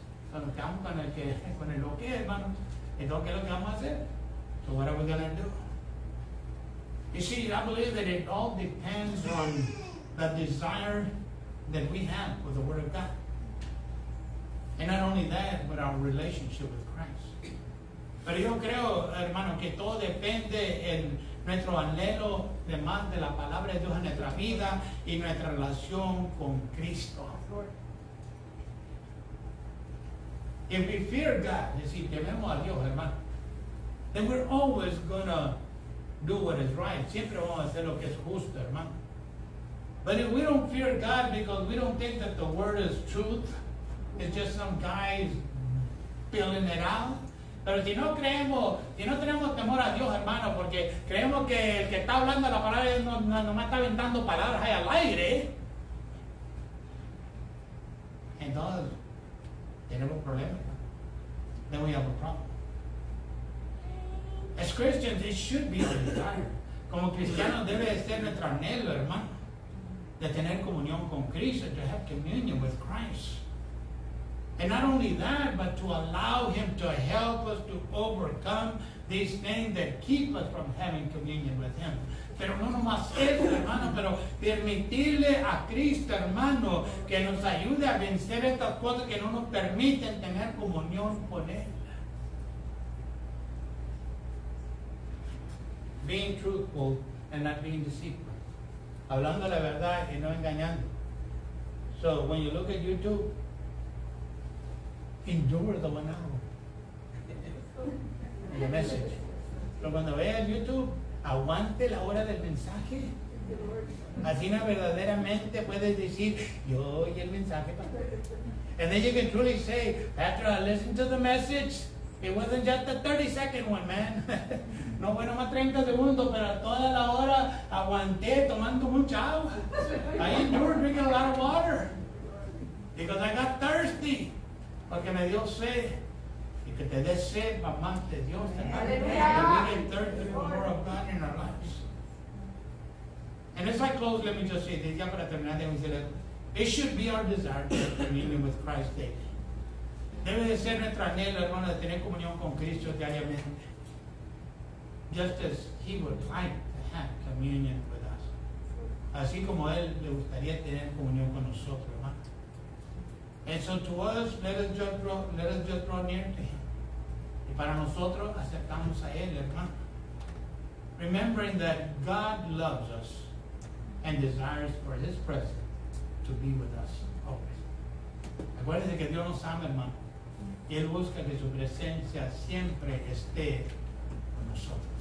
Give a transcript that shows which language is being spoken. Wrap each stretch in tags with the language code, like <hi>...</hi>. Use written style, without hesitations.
<es>Cuando estamos con el ok, hermano, entonces, ¿qué es lo que vamos a hacer?</es> <en>So what are we going to do? You see, I believe that it all depends on the desire that we have for the Word of God. And not only that, but our relationship with Christ.</en> <es>Pero yo creo, hermano, que todo depende en nuestro anhelo de más de la palabra de Dios en nuestra vida y nuestra relación con Cristo.</es> <en>If we fear God,</en> <es>es decir, tememos a Dios, hermano,</es> <en>then we're always going to do what is right.</en> <es>Siempre vamos a hacer lo que es justo, hermano.</es> <en>But if we don't fear God because we don't think that the word is truth, it's just some guys filling it out.</en> <es>Pero si no creemos, si no tenemos temor a Dios, hermano, porque creemos que el que está hablando la palabra no más está aventando palabras ahí al aire, entonces tenemos problemas.</es> <en>Then we have a problem. As Christians, it should be our desire.</en> <es>Como cristianos, debe ser nuestro anhelo, hermano, de tener comunión con Cristo,</es> <en>to have communion with Christ. And not only that, but to allow Him to help us to overcome these things that keep us from having communion with Him.</en> <es>Pero no nomás eso, hermano, pero permitirle a Cristo, hermano, que nos ayude a vencer estas cosas que no nos permiten tener comunión con Él.</es> <en>Being truthful and not being deceitful.</en> <es>Hablando la verdad y no engañando.</es> <en>So, when you look at YouTube, endure the 1 hour. The message.</en> <es>Pero cuando veas YouTube, aguante la hora del mensaje. Así no verdaderamente puedes decir, yo oí el mensaje, Pastor.</es> <en>And then you can truly say, Pastor, I listened to the message. It wasn't just a 30-second one, man.</en> <es>No fue nomás 30 segundos, pero toda la hora aguanté tomando mucha agua.</es> <en>I endured drinking a lot of water. Because I got thirsty.</en> <es>Porque me dio sed. Y que te dé sed, mamá, de Dios, hermano.</es> <en>Que we get thirsty for more of God in our lives. And as I close, let me just say this,</en> <es>ya para terminar, déjame decirle,</es> <en>it should be our desire to have communion with Christ daily.</en> <es>Debe de ser nuestro anhelo, hermano, de tener comunión con Cristo diariamente.</es> <en>Just as he would like to have communion with us.</en> <es>Así como él le gustaría tener comunión con nosotros, hermano.</es> <en>And so to us, let us just draw near to him.</en> <es>Y para nosotros, aceptamos a él, hermano.</es> <en>Remembering that God loves us and desires for his presence to be with us always.</en> <es>Acuérdense que Dios nos ama, hermano. Y él busca que su presencia siempre esté con nosotros.</es>